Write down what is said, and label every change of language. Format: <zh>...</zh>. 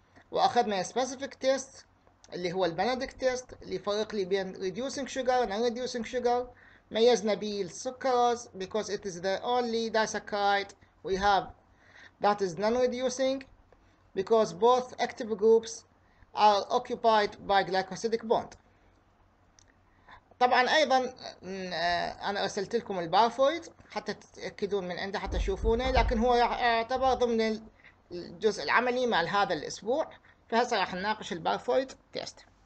<ar>وأخذنا specific test اللي هو البنديكت test اللي يفرق لي بين</ar> <en>reducing sugar and non-reducing sugar.</en> <ar>ميزنا بيه السكروز</ar> <en>because it is the only disaccharide we have that is non-reducing because both active groups are occupied by glycosidic bond.</en> <ar>طبعا ايضا انا ارسلت لكم البارفويد حتى تتأكدون من عنده حتى تشوفونه، لكن هو يعتبر ضمن الجزء العملي مع هذا الاسبوع، فهسه راح نناقش البارفويد تيست.</ar>